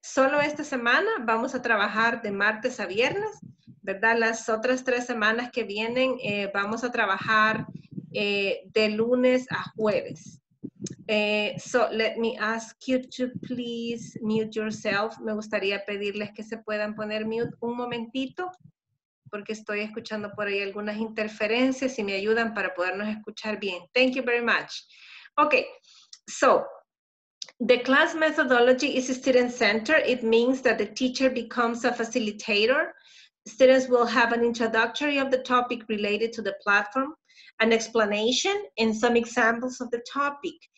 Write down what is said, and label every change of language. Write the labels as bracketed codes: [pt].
[es] Solo esta semana vamos a trabajar de martes a viernes, ¿verdad? Las otras 3 semanas que vienen vamos a trabajar de lunes a jueves. [en] So let me ask you to please mute yourself. [es] Me gustaría pedirles que se puedan poner mute un momentito, porque estoy escuchando por ahí algunas interferencias y me ayudan para podernos escuchar bien. [en] Thank you very much. Okay, so the class methodology is student-centered. It means that the teacher becomes a facilitator. Students will have an introductory of the topic related to the platform, an explanation and some examples of the topic.